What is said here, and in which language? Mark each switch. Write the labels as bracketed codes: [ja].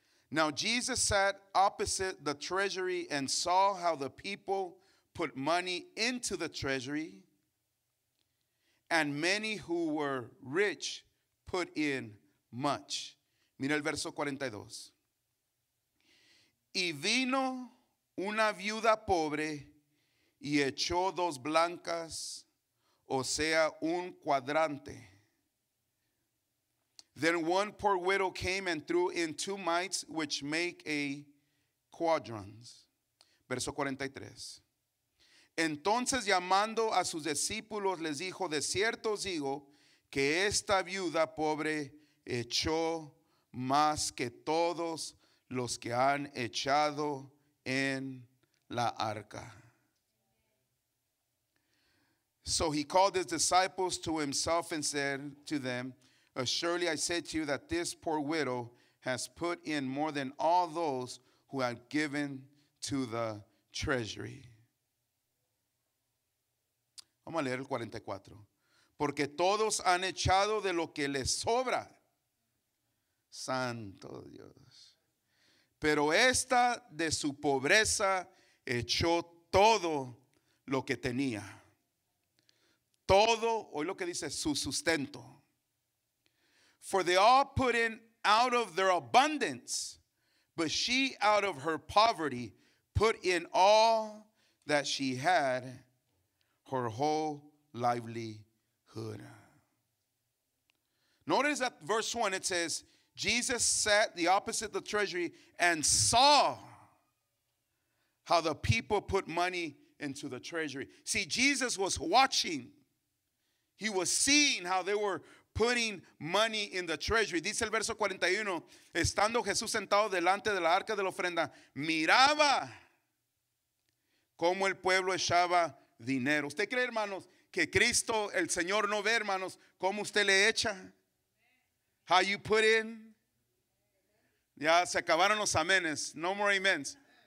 [en] Now Jesus sat opposite the treasury and saw how the people put money into the treasury. And many who were rich put in much. [es] Mira el verso 42. Y vino una viuda pobre y echó dos blancas, o sea, un cuadrante. [en] Then one poor widow came and threw in two mites, which make a quadrant. [es] Verso 43. Entonces, llamando a sus discípulos, les dijo, de cierto os digo que esta viuda pobre echó más que todos los que han echado en la arca. [en] So he called his disciples to himself and said to them, "Surely I say to you that this poor widow has put in more than all those who have given to the treasury." [es] Vamos a leer el 44. Porque todos han echado de lo que les sobra. Santo Dios. Pero esta de su pobreza echó todo lo que tenía. Todo, oye lo que dice, su sustento. [en] For they all put in out of their abundance, but she out of her poverty put in all that she had, her whole livelihood. Notice that verse 1, it says, Jesus sat the opposite of the treasury and saw how the people put money into the treasury. See, Jesus was watching. He was seeing how they were putting money in the treasury. [es] Dice el verso 41, estando Jesús sentado delante de la arca de la ofrenda, miraba cómo el pueblo echaba dinero. ¿Usted cree, hermanos, que Cristo, el Señor, no ve, hermanos, cómo usted le echa? [en] How you put in. [es] Ya se acabaron los amenes. [en] No more amens.